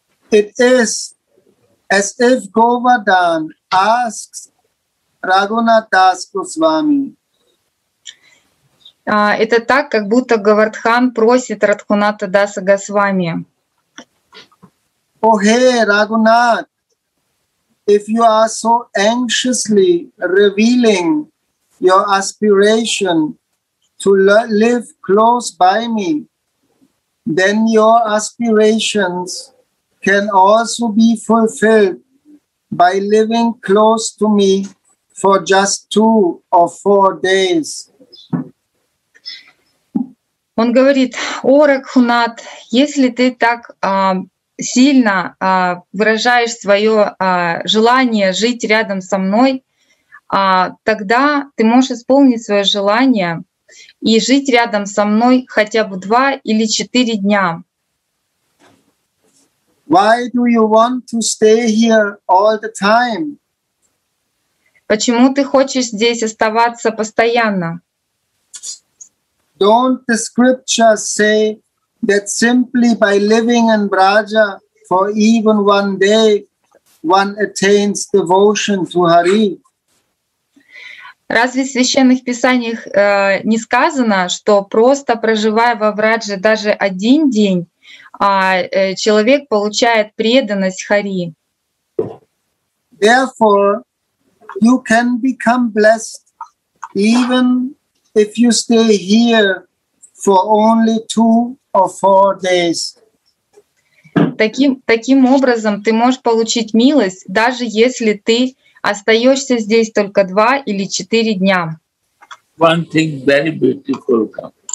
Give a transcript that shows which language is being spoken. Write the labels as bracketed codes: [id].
[en] It is as if Govardhan asks Raghunath Das Goswami. [ru] Это так, как будто Говардхан просит Радхуната Даса Госвами. [en] Oh, hey, Raghunath, if you are so anxiously revealing your aspiration to live close by me, then your aspirations can also be fulfilled by living close to me for just 2 or 4 days. [ru] Он говорит: «О, Рагхунат, если ты так сильно выражаешь свое желание жить рядом со мной, тогда ты можешь исполнить свое желание и жить рядом со мной хотя бы 2 или 4 дня». [en] Why do you want to stay here all the time? [ru] Почему ты хочешь здесь оставаться постоянно? [en] Don't the scriptures say that simply by living in Braja for even 1 day, one attains devotion to Hari? [ru] Разве в священных писаниях не сказано, что просто проживая во Врадже даже 1 день, человек получает преданность Хари? [en] Therefore, you can become blessed even if you stay here for only 2 or 4 days. [ru] Таким образом, ты можешь получить милость, даже если ты остаешься здесь только 2 или 4 дня. [en] One thing very beautiful comes.